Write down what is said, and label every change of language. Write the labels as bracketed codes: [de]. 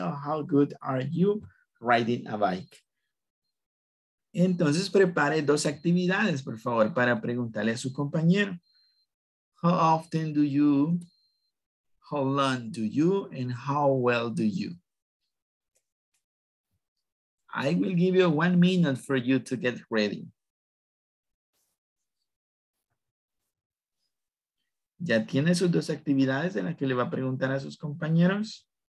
[en] Or how good are you riding a bike? [es] Entonces, prepare dos actividades, por favor, para preguntarle a su compañero. [en] How often do you, how long do you, and how well do you? I will give you 1 minute for you to get ready. [es] ¿Ya tiene sus dos actividades en las que le va a preguntar a sus compañeros?